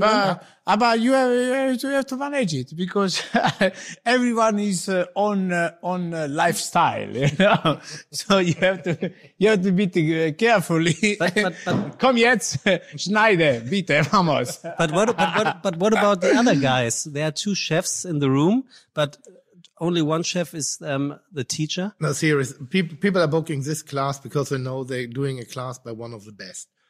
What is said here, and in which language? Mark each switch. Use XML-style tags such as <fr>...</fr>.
<en>But you have to manage it because everyone is on lifestyle, you know? So you have to be carefully.</en> <de>But komm jetzt, schneide, bitte, vamos.</de> <en>But what about the other guys? There are two chefs in the room, but only one chef is the teacher. No, serious. People are booking this class because they know they're doing a class by one of the best.</en>